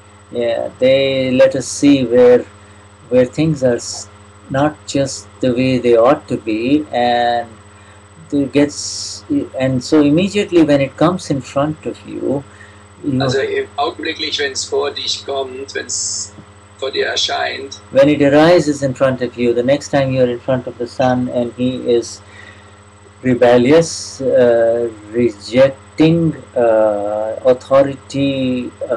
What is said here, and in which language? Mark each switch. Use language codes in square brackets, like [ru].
[en] Yeah, they let us see where things are not just the way they ought to be, and it gets, and so immediately when it comes in front of you, [de] also im augenblicklich, wenn es vor dich kommt, wenn es vor dir erscheint, [en] when it arises in front of you, the next time you're in front of the sun and he is rebellious, rejecting authority,